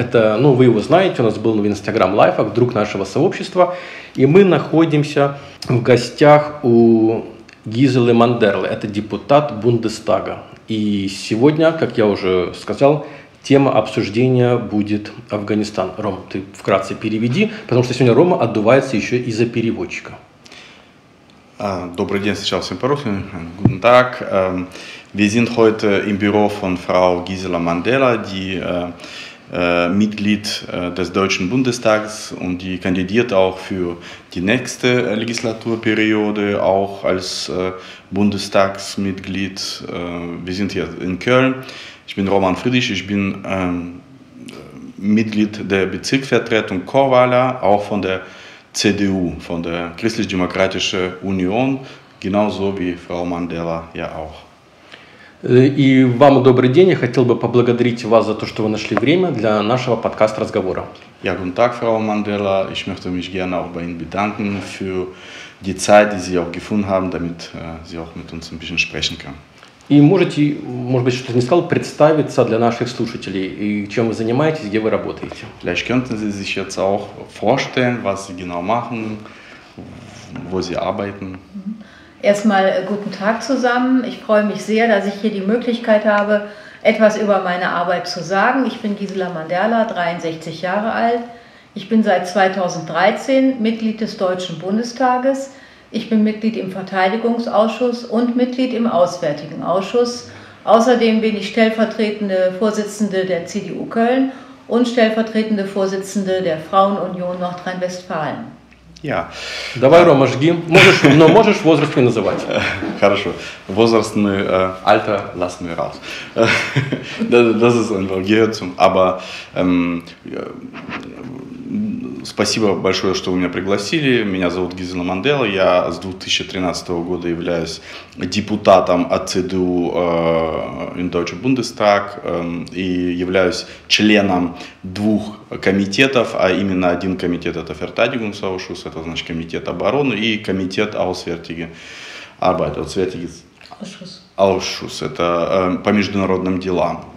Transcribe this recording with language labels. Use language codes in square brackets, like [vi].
[ru] Это, ну, вы его знаете, у нас был в Instagram Live, друг нашего сообщества, и мы находимся в гостях у Гизелы Мандерлы, это депутат Бундестага. И сегодня, как я уже сказал, тема обсуждения будет Афганистан. Ром, ты вкратце переведи, потому что сегодня Рома отдувается еще и за переводчика. Добрый день, сначала всем по-русски. [de] Guten Tag. Wir sind heute im Büro von Frau Gisela Mandela, die Mitglied des Deutschen Bundestags und die kandidiert auch für die nächste Legislaturperiode, auch als Bundestagsmitglied. Wir sind hier in Köln. Ich bin Roman Friedrich, ich bin Mitglied der Bezirksvertretung Korwala, auch von der CDU, von der Christlich-Demokratischen Union, genauso wie Frau Mandela ja auch. [ru] И вам добрый день. Я хотел бы поблагодарить вас за то, что вы нашли время для нашего подкаст-разговора. [de] Ja, guten Tag, Frau Mandela. Ich möchte mich gerne auch bei Ihnen bedanken für die Zeit, die Sie auch gefunden haben, damit Sie auch mit uns ein bisschen sprechen können. [ru] И можете, может быть, что-то не сказал, представиться для наших слушателей, и чем вы занимаетесь, где вы работаете. [de] Vielleicht könnten Sie sich jetzt auch vorstellen, was Sie genau machen, wo Sie arbeiten. Erstmal guten Tag zusammen. Ich freue mich sehr, dass ich hier die Möglichkeit habe, etwas über meine Arbeit zu sagen. Ich bin Gisela Mandela, 63 Jahre alt. Ich bin seit 2013 Mitglied des Deutschen Bundestages. Ich bin Mitglied im Verteidigungsausschuss und Mitglied im Auswärtigen Ausschuss. Außerdem bin ich stellvertretende Vorsitzende der CDU Köln und stellvertretende Vorsitzende der Frauenunion Nordrhein-Westfalen. Ja. [ru] Давай, Рома, жги. Можешь, но можешь возраст не называть. Хорошо. Возраст мы, [de] Alter lassen wir raus. Das ist einfach gehört zum, aber [ru] спасибо большое, что вы меня пригласили. Меня зовут Гизела Мандела. Я с 2013 года являюсь депутатом от CDU [de] in Deutschen Bundestag [ru] и являюсь членом двух комитетов, а именно один комитет – это Verteidigungsausschuss, это значит комитет обороны, и комитет [de] Auswärtige Arbeit, Ausschuss, [ru] это по международным делам.